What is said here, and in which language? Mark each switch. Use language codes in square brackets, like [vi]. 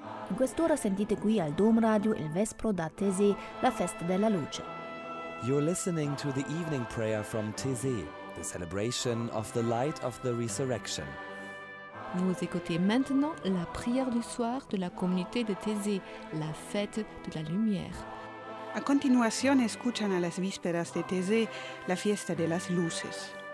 [it] In quest'ora sentite qui al Domradio il Vespro da Tese, la Festa della Luce. [en] You're listening to the evening prayer from Tese, the celebration of the light of the resurrection. [fr] Vous écoutez maintenant la prière du soir de la communauté de Tese, la fête de la lumière. [es] A continuación escuchan a las vísperas de Tese, la fiesta de las luces.